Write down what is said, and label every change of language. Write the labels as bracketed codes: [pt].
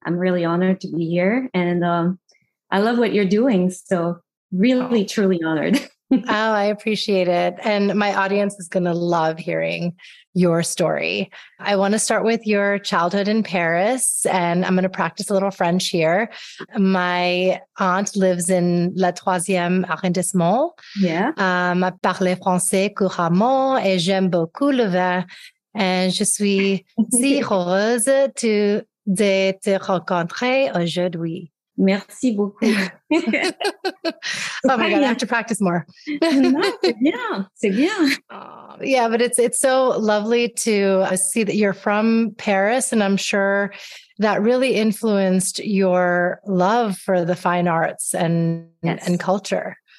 [en] I'm really honored to be here. And I love what you're doing. So really, truly honored. Oh, I appreciate it. And my audience is going to love hearing your story. I want to start with your childhood in Paris, and I'm going to practice a little French here. My aunt lives in La Troisième Arrondissement. Yeah. [fr] I parle français couramment et j'aime beaucoup le vin. And je suis si heureuse de te rencontrer aujourd'hui. Merci beaucoup. [en] Oh my God, I have to practice more. [fr] Yeah, c'est bien. [en] Yeah, but it's so lovely to see that you're from Paris, and I'm sure that really influenced your love for the fine arts and and culture.